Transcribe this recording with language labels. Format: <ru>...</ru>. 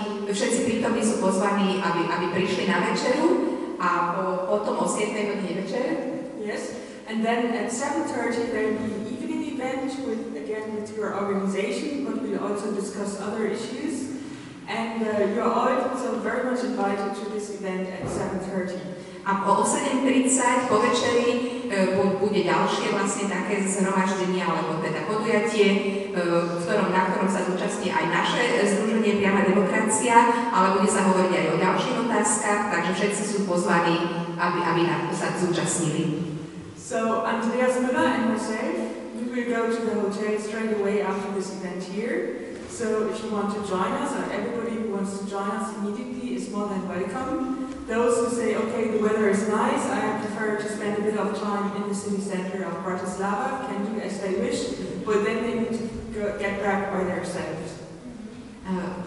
<sk>Všetci prítomní sú pozvaní, aby prišli na večeru, a potom o 7:00 večer.</sk> <en>Yes. And then at 7:30 there will be evening event with, again, with your organization, but we'll also discuss other issues. And you're also very much invited to this event at 7:30.</en> <sk>A po 8:30 po večeri bude ďalšie vlastne také zhromaždenie alebo teda podujatie, na ktorom sa zúčastní aj naše združenie Priama demokracia, ale bude sa hovoriť aj o ďalších otázkach, takže všetci sú pozvaní, aby nám sa zúčastnili.</sk> <en>So Andreas Müller and myself, we will go to the hotel straight away after this event here. So if you want to join us, or everybody who wants to join us immediately is more than welcome. Those who say, okay, the weather is nice, I prefer to spend a bit of time in the city center of Bratislava, can do as they wish, but then they need to get back by themselves.</en>